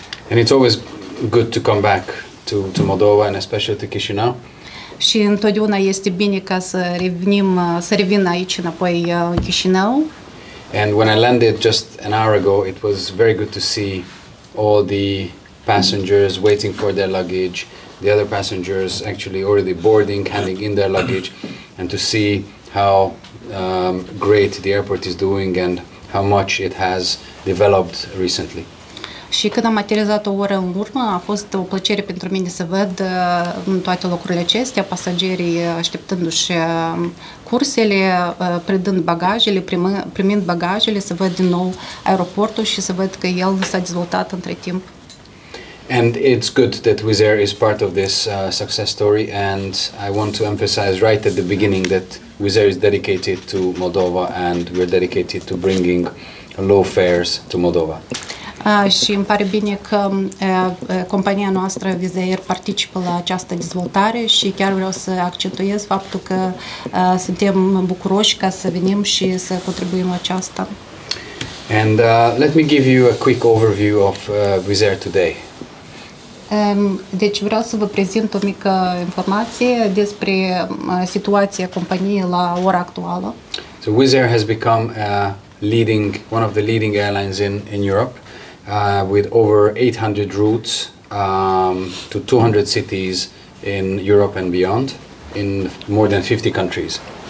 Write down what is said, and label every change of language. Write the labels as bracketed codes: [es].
[en] And it's always good to come back to Moldova and especially to Chișinău. [ro] Și întotdeauna este bine ca să revin aici înapoi în Chișinău. [en] And when I landed just an hour ago, it was very good to see all the passengers waiting for their luggage, the other passengers actually already boarding, handing in their luggage, and to see how great the airport is doing and how much it has developed recently. [ro] Și când am aterizat o oră în urmă, a fost o plăcere pentru mine să văd toate locurile acestea, pasagerii așteptându-și cursele, predând bagajele, primind bagajele, să văd din nou aeroportul și să văd că el s-a dezvoltat între timp. [en] And it's good that Wizz Air is part of this success story, and I want to emphasize right at the beginning that Wizz Air is dedicated to Moldova and we're dedicated to bringing low fares to Moldova. [ro] Și îmi pare bine că compania noastră, Wizz Air, participă la această dezvoltare și chiar vreau să accentuez faptul că suntem bucuroși ca să venim și să contribuim la aceasta. [en] And let me give you a quick overview of Wizz Air today. [ro] Deci vreau să vă prezint o mică informație despre situația companiei la ora actuală. [en] So Wizz Air has become one of the leading airlines in Europe. With over 800 routes to 200 cities in Europe and beyond, in more than 50 countries.